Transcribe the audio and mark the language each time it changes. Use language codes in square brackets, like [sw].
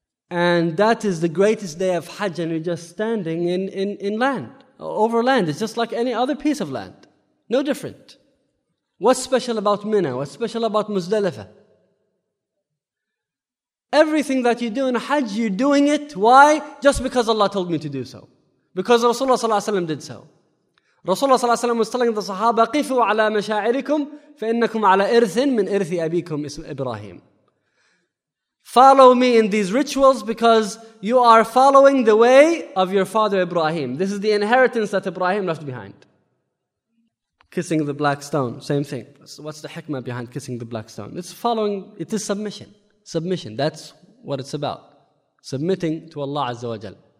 [en] And that is the greatest day of Hajj, and you're just standing in land, over land. It's just like any other piece of land. No different. What's special about Mina? What's special about Muzdalifah? Everything that you do in Hajj, you're doing it. Why? Just because Allah told me to do so. Because Rasulullah Sallallahu Alaihi Wasallam did so. Rasulullah Sallallahu Alaihi Wasallam was telling the Sahaba, [ar] قِفُوا عَلَى مَشَاعِرِكُمْ فَإِنَّكُمْ عَلَى إِرْثٍ مِّنْ إِرْثِ أَبِيكُمْ إِسْمِ إِبْرَاهِيمُ. [en] follow me in these rituals because you are following the way of your father Ibrahim. This is the inheritance that Ibrahim left behind. Kissing the black stone, same thing. What's the hikmah behind kissing the black stone? It's following, it is submission. Submission, that's what it's about. Submitting to Allah Azza wa Jal.